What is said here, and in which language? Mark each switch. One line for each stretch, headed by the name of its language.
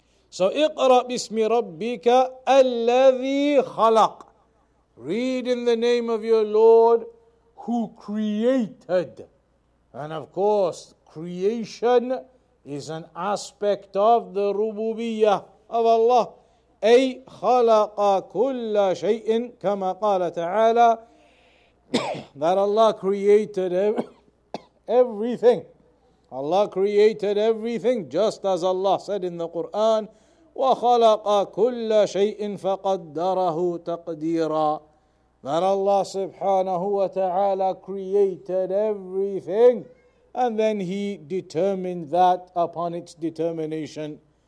English: So
Arabic: اقرأ بسم ربك الذي خلق.
English: Read in the name of your Lord who created. And of course, creation is an aspect of the rububiyyah of Allah.
Arabic: أي خلق كل شيء كما قال تعالى.
English: That Allah created everything. Allah created everything just as Allah said in the Quran.
Arabic: وَخَلَقَ كُلَّ شَيْءٍ فَقَدَّرَهُ تَقْدِيرًا.
English: That Allah subhanahu wa ta'ala created everything and then He determined that upon its determination.